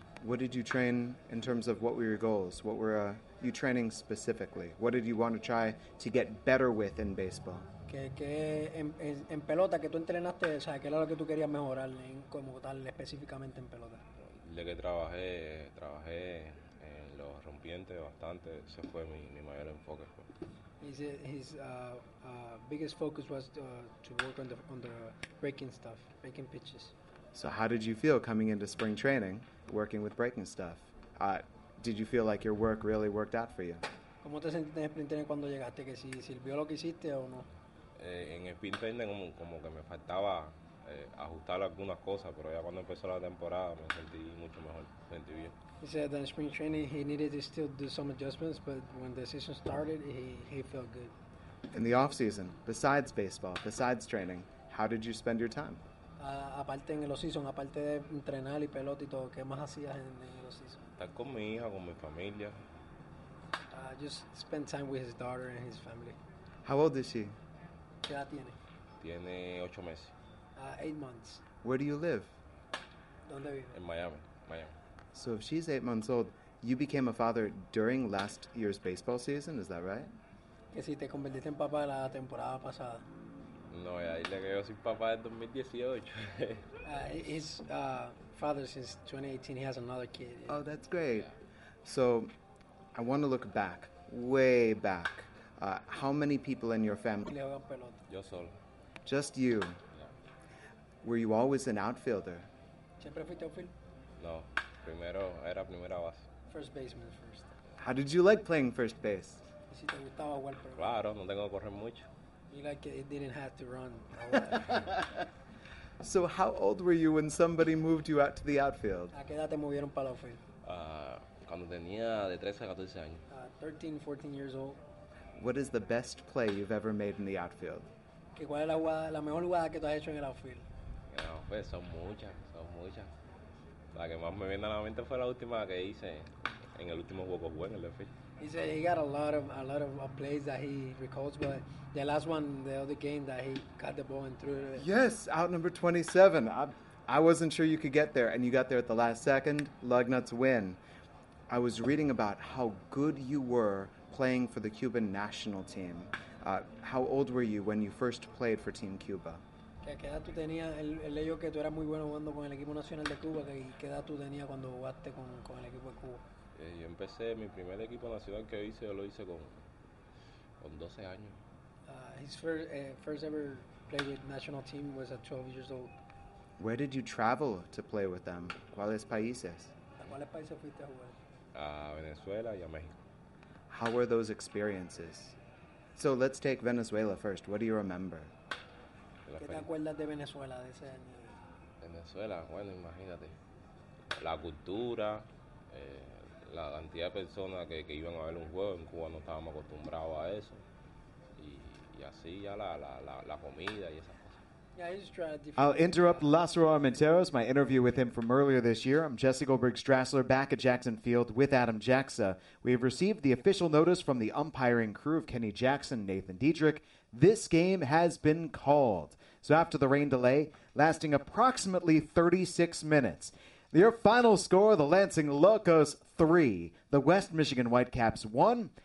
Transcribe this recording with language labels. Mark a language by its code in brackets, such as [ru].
[en] What did you train in terms of what were your goals? What were you training specifically? What did you want to try to get better with in baseball? [es] En pelota, que tú entrenaste, o sea, ¿qué era lo que tú querías mejorar en como tal específicamente en pelota? Lo que trabajé en los rompientes bastante, ese fue mi mayor enfoque. [en] His biggest focus was to work on the breaking stuff, breaking pitches. So how did you feel coming into spring training, working with breaking stuff? Did you feel like your work really worked out for you? [es] ¿Cómo te sentiste en spring training cuando llegaste? ¿Que si sirvió lo que hiciste o no? En spring training como que me faltaba ajustar algunas cosas, pero ya cuando empezó la temporada me sentí mucho mejor, me sentí bien. [en] He said that in spring training he needed to still do some adjustments, but when the season started, he felt good. In the off season, besides baseball, besides training, how did you spend your time? [es] Aparte en el off-season, aparte de entrenar y pelota y todo, ¿qué más hacías en el off-season? Estar con mi hija, con mi familia. [en] Just spend time with his daughter and his family. How old is she? [es] ¿Qué edad tiene? Tiene 8 meses. [en] 8 months. Where do you live? [es] ¿Dónde vive? En Miami, Miami. [en] So if she's 8 months old, you became a father during last year's baseball season, is that right? [es] Que si te convertiste en papá la temporada pasada. No, ya dile que yo soy papá del 2018. [en] His father since 2018, he has another kid. Oh, that's great. Yeah. So, I want to look back, way back. How many people in your family? [es] Yo solo. [en] Just you? Yeah. Were you always an outfielder? [es] ¿Siempre fuiste outfield? No, primero, era primera base. [en] First baseman first. How did you like playing first base? [es] Si te gustaba jugar, pero... Claro, no tengo que correr mucho. [en] You like it didn't have to run. So how old were you when somebody moved you out to the outfield? [es] ¿A qué edad te movieron para el outfield? Cuando tenía de 13 a 14 años. [en] 13, 14 years old. What is the best play you've ever made in the outfield? [es] ¿Qué cuál es la mejor jugada que tú has hecho en el outfield? No, pues son muchas. La que más me viene a la mente fue la última que hice en el último juego que jugué en el outfield. [en] He said he got a lot of plays that he recalls, but the last one, the other game that he got the ball and threw it. Yes, out number 27. I wasn't sure you could get there, and you got there at the last second. Lugnuts win. I was reading about how good you were playing for the Cuban national team. How old were you when you first played for Team Cuba? [es] ¿Qué edad tú tenías? Él leyó que tú eras muy bueno jugando con el equipo nacional de Cuba. ¿Qué edad tú tenías cuando jugaste con el equipo de Cuba? Yo empecé mi primer equipo nacional que hice, yo lo hice con 12 años. [en] His first ever play with national team was at 12 years old. Where did you travel to play with them? [es] ¿Cuáles países? ¿A cuáles países fuiste a jugar? A Venezuela y a México. [en] How were those experiences? So let's take Venezuela first. What do you remember? [es] ¿Qué te acuerdas de Venezuela de ese año? Venezuela, bueno, imagínate. La cultura, la cantidad de personas que iban a ver un juego en Cuba, no estábamos acostumbrados a eso. Y así ya la comida y esas cosas. [en] Yeah, I'll interrupt Lázaro Armenteros, my interview with him from earlier this year. I'm Jesse Goldberg-Strassler back at Jackson Field with Adam Jaxa. We have received the official notice from the umpiring crew of Kenny Jackson, Nathan Diedrich. This game has been called. So after the rain delay, lasting approximately 36 minutes, your final score, the Lansing Locos 3, the West Michigan Whitecaps 1.